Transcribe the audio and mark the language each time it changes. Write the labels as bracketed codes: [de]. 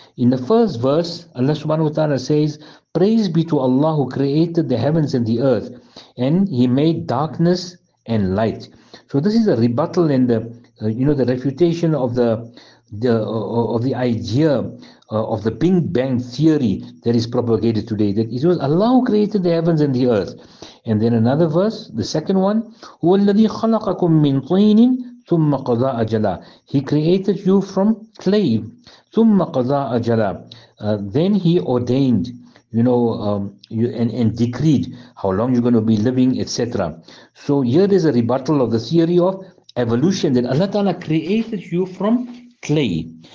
[en] In the first verse, Allah subhanahu wa ta'ala says, praise be to Allah who created the heavens and the earth, and He made darkness and light. So this is a rebuttal and the refutation of the idea of the Big Bang theory that is propagated today, that it was Allah who created the heavens and the earth. And then another verse, the second one, [ar] هو الذي خلقكم من طين ثم قضى أجلا. [en] He created you from clay. [ar] ثم قضى أجلا. [en] Then He ordained, and decreed how long you're going to be living, etc. So here is a rebuttal of the theory of evolution, that Allah Ta'ala created you from clay.